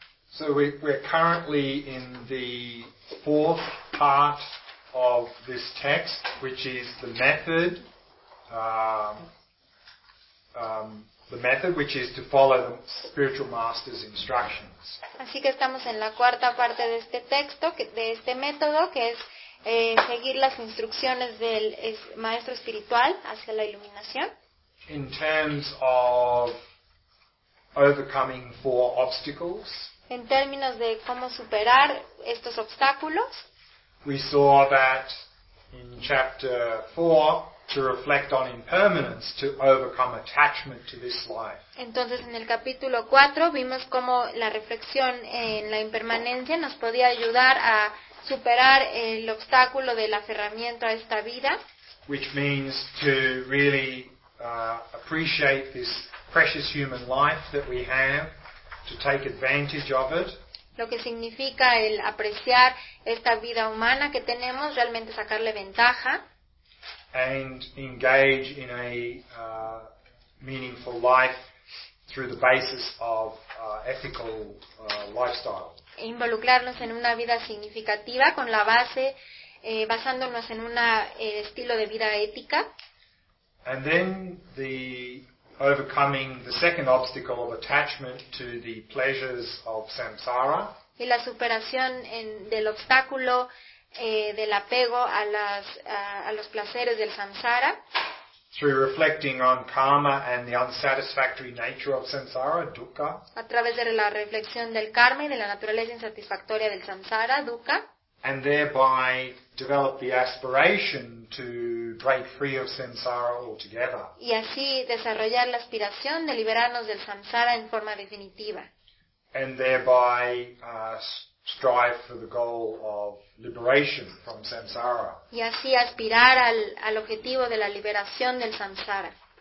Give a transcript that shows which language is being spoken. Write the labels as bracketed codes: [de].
[en] So we're currently in the fourth part of this text, which is the method, which is to follow the spiritual master's instructions. [es] Así que estamos en la cuarta parte de este texto, de este método, que es seguir las instrucciones del maestro espiritual hacia la iluminación. [en] In terms of overcoming four obstacles. [es] En términos de cómo superar estos obstáculos. [en] We saw that in chapter 4, to reflect on impermanence, to overcome attachment to this life. [es] Entonces en el capítulo 4 vimos cómo la reflexión en la impermanencia nos podía ayudar a superar el obstáculo del aferramiento a esta vida. [en] Which means to really appreciate this precious human life that we have. To take advantage of it. [es] Lo que significa el apreciar esta vida humana que tenemos, realmente sacarle ventaja. [en] And engage in a meaningful life through the basis of ethical lifestyle. [es] Involucrarnos en una vida significativa con la base, basándonos en un estilo de vida ética. [en] And then the overcoming the second obstacle of attachment to the pleasures of samsara. [es] Y la superación del obstáculo del apego a los placeres del samsara. [en] Through reflecting on karma and the unsatisfactory nature of samsara, dukkha. [es] A través de la reflexión del karma y de la naturaleza insatisfactoria del samsara, dukkha. [en] And thereby develop the aspiration to break free of samsara altogether. [es] Y así desarrollar la aspiración de liberarnos del samsara en forma definitiva. [en] And thereby strive for the goal of liberation from samsara. [es] Y así aspirar al objetivo de la liberación del samsara.